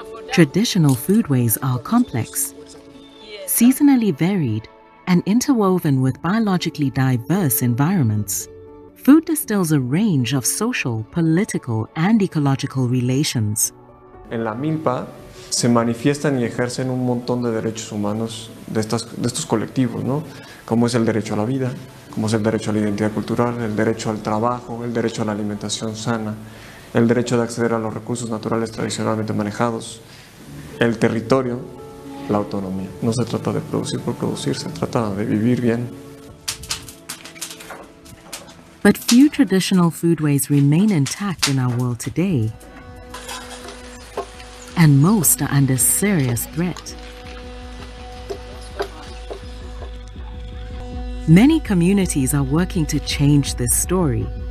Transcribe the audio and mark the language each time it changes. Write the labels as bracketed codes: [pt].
[en] Traditional foodways are complex, seasonally varied, and interwoven with biologically diverse environments. Food distills a range of social, political, and ecological relations. [es] En la milpa, se manifiestan y ejercen un montón de derechos humanos de estos colectivos, ¿no? Como es el derecho a la vida, como es el derecho a la identidad cultural, el derecho al trabajo, el derecho a la alimentación sana, el derecho de acceder a los recursos naturales tradicionalmente manejados, el territorio, la autonomía. No se trata de producir por producir, se trata de vivir bien. [en] But few traditional foodways remain intact in our world today. And most are under serious threat. Many communities are working to change this story.